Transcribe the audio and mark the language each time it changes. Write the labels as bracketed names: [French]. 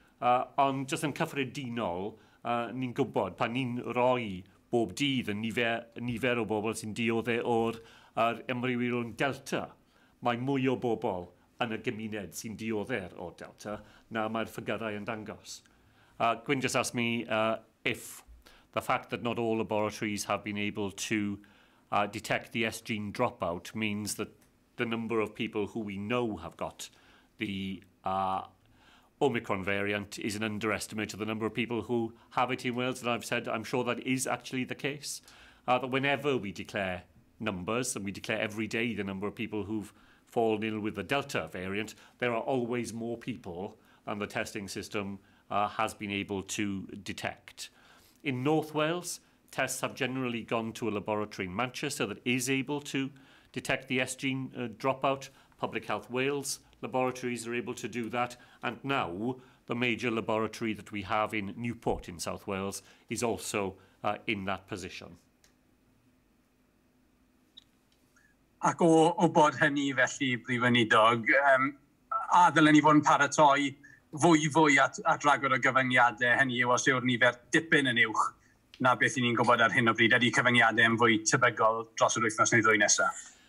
[Welsh] Ond jyst yn cyffredinol, ni'n gwybod pan ni'n roi bob dydd yn nifer o bobl sy'n dioddau o'r ymrywiolyn Delta, mae mwy o bobl yn y gymuned sy'n dioddau o Delta na mae'r ffigyrau yn dangos. [English] Gwyn just asked me if the fact that not all laboratories have been able to detect the S-gene dropout means that the number of people who we know have got the Omicron variant is an underestimate of the number of people who have it in Wales. And I've said I'm sure that is actually the case, that whenever we declare numbers, and we declare every day the number of people who've fallen ill with the Delta variant, there are always more people than the testing system has been able to detect. In North Wales, tests have generally gone to a laboratory in Manchester that is able to detect the S-gene dropout. Public Health Wales laboratories are able to do that. And now the major laboratory that we have in Newport in South Wales is also in that position. [Welsh] Ac o bod hynny felly, Brif Weinidog, a ddylen ni fod yn paratoi fwy at ragor o gyfyngiadau hynny yw os yw'r nifer dipyn yn uwch na beth ni'n gwybod ar hyn o bryd, ydy cyfyngiadau yn fwy tebygol dros yr wythnos neu ddwy nesaf?